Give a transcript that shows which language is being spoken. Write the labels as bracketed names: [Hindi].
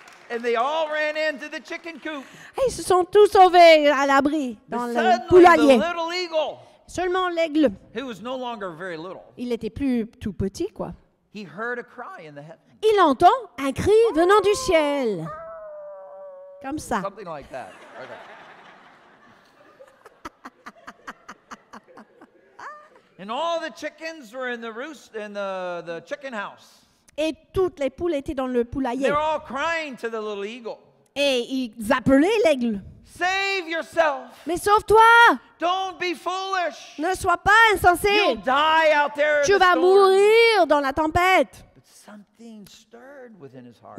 [English] And they all ran into the chicken coop. [French] Ils se sont tous sauvés à l'abri dans le poulailler. [English] The little eagle, [French] seulement l'aigle. [English] He was no longer very little. [French] Il était plus tout petit quoi. [English] He heard a cry in the heavens. [French] Il entend un cri venant du ciel. Comme ça. [English] Something like that. Okay. And all the chickens were in the roost in the chicken house. [French] Et toutes les poules étaient dans le poulailler. [English] They're all crying to the little eagle. [French] Et ils appelaient l'aigle. [English] Save yourself. [French] Mais sauve-toi. [English] Don't be foolish. [French] Ne sois pas insensé. [English] You'll die out there. [French] Tu vas mourir dans la tempête. [English] But something stirred within his heart.